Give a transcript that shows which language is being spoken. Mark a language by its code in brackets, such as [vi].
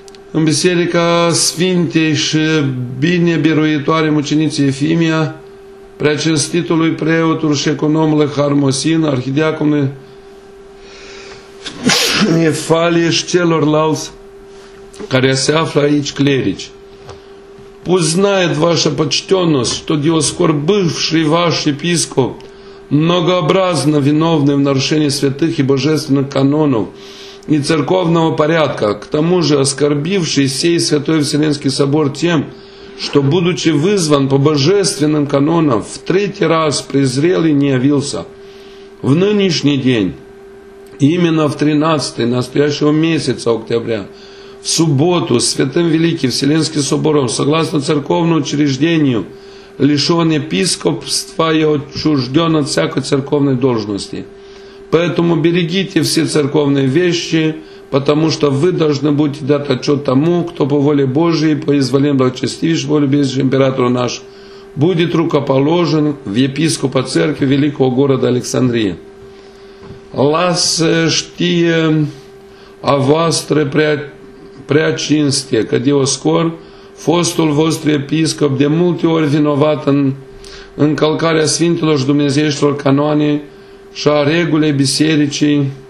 [ro] în Biserica Sfintei și binebiruitoare Muciniții Efimia, preacinstitului preotul și economul Harmosin, arhidiaconul Efalie și celorlalți care se află aici clerici. [ru] Узнает ваша почтенность, что Диоскор, бывший ваш епископ, многообразно виновный в нарушении святых и божественных канонов и церковного порядка, к тому же оскорбивший сей Святой Вселенский Собор тем, что, будучи вызван по божественным канонам, в третий раз презрел и не явился. В нынешний день, именно в 13-й настоящего месяца октября, в субботу Святым Великим Вселенским Собором, согласно церковному учреждению, лишен епископства и отчужден от всякой церковной должности. Поэтому берегите все церковные вещи, потому что вы должны будете дать отчет тому, кто по воле Божией, по изволению благочестивейшего любезнейшего императора наш, будет рукоположен в епископа церкви великого города Александрии. [ro] Лас штие о вастре приятель Preacinstie, că Dioscor, fostul vostru episcop, de multe ori vinovat în încălcarea Sfintelor și Dumnezeieștilor canoane și a regulei bisericii